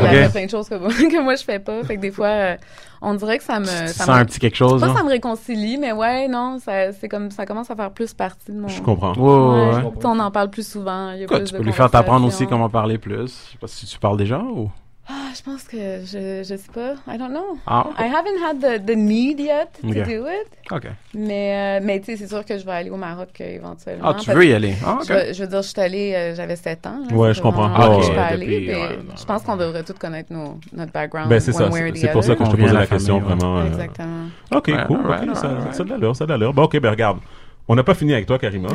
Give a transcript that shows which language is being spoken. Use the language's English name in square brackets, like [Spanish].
[French] Elle fait plein de choses que moi, je fais pas. Fait que des fois, on dirait que ça me... Tu sens un petit quelque chose, pas non? Ça me réconcilie, mais ouais, non, ça commence à faire plus partie de mon... Je comprends. Ouais, ouais, ouais. Je comprends. On en parle plus souvent. Il y a quoi, plus tu de peux lui faire t'apprendre aussi comment parler plus. Je sais pas si tu parles déjà ou... Ah, je pense que je sais pas. [English] I don't know. Ah, okay. I haven't had the need yet to do it. Okay. [French] Mais tu sais, c'est sûr que je vais aller au Maroc éventuellement. Ah, tu veux y aller? Ah, okay. Je veux dire, je suis allée, j'avais 7 ans. Là, ouais, je comprends. Ah, okay. Je pense qu'on devrait tous connaître notre background. Ben, c'est ça. C'est pour ça que je te posais la question, vraiment. Exactement. Ok, cool. Ça a de l'allure, Bon, ok, ben regarde. On n'a pas fini avec toi, Karima.